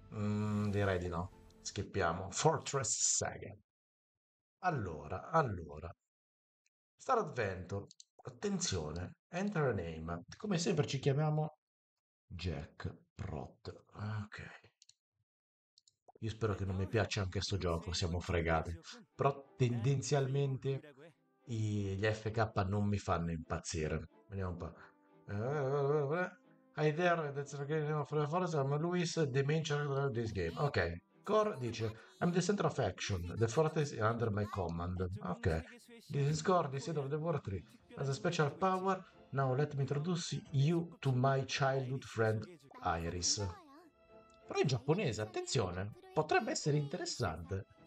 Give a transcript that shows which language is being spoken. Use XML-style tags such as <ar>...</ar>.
<it>Direi di no. Skippiamo. Fortress Saga. Allora. Star Adventure. Attenzione.</it> <en>Enter a name.</en> <it>Come sempre ci chiamiamo Jack Prot. Ok. Io spero che non mi piaccia anche sto gioco. Siamo fregati. Però tendenzialmente gli FK non mi fanno impazzire. Vediamo un po'.</it> <en>Hi there, that's the game of the forest. I'm Luis, the main character of this game.</en> <it>Ok, Core dice:</it> <en>I'm the center of action. The fortress is under my command. Ok, this is Core, the center of the war tree. As a special power, now let me introduce you to my childhood friend Iris.</en> <it>Però in giapponese, attenzione, potrebbe essere interessante.</it>